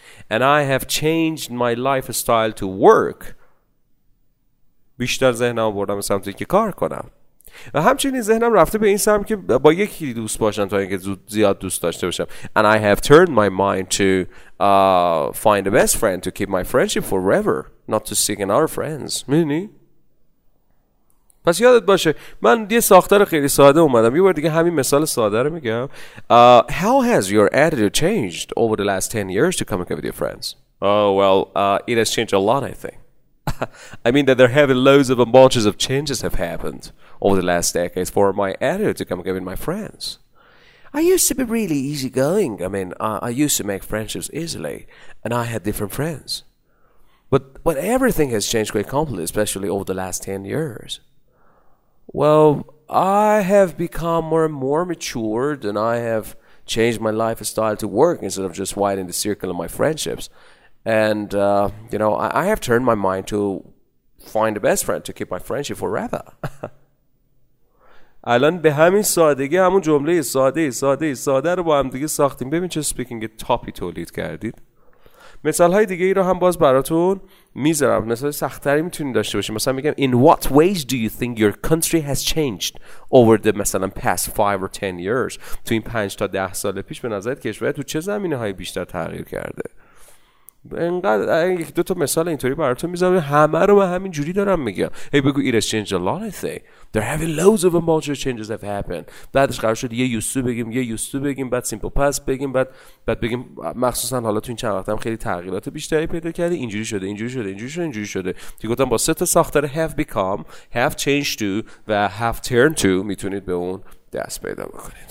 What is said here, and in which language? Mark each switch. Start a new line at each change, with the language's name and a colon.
English: And I have changed my lifestyle to work.
Persian: بیشتر ذهنم رو بردم به سمت اینکه کار کنم. و همچنین ذهنم رفته به این سمت که با یکی دوست باشم تا اینکه زیاد دوست داشته باشم.
English: And I have turned my mind to find the best friend to keep my friendship forever, not to seek another friends.
Persian: میدونی؟ پس یادت باشه من یه ساختار خیلی ساده اومدم. یه بار دیگه همین مثال ساده رو میگم.
English: How has your attitude changed over the last 10 years to communicate with your friends? It has changed a lot, I think. I mean that there have been loads of and bunches of changes have happened over the last decades for my attitude to come with my friends. I used to be really easygoing. I mean, I used to make friendships easily, and I had different friends. But everything has changed quite completely, especially over the last 10 years. Well, I have become more and more matured, and I have changed my lifestyle to work instead of just widening the circle of my friendships. And, you know, I have turned my mind to find the best friend to keep my friendship forever.
Persian: الان به همین سادگی همون جمله ساده رو با هم دیگه ساختیم. ببین چه سپیکینگ تاپی تولید کردید. مثال های دیگه ای رو هم باز براتون میذارم. مثال سختری میتونید داشته باشید. مثلا میگم
English: In what ways do you think your country has changed over the
Persian: مثلا
English: past 5 or 10 years?
Persian: تو این 5 تا 10 سال پیش به نظرت کشور تو چه زمینه های بیشتر تغییر کرده؟ اینقدر یک دو تا مثال اینطوری براتون میذارم، همه رو من همین جوری دارم میگم. هی بگو
English: it has changed a lot, I think. There have been loads of major changes have happened.
Persian: بعدش قرار شد یه یوسو بگیم، بعد سیمپل پس بگیم، بعد بگیم مخصوصا حالا تو این چند وقتم خیلی تغییرات بیشتری پیدا کردی. اینجوری شده. دیگه گفتم با سه تا ساختار have become, have changed to و have turned to میتونید به اون دست پیدا بکنید.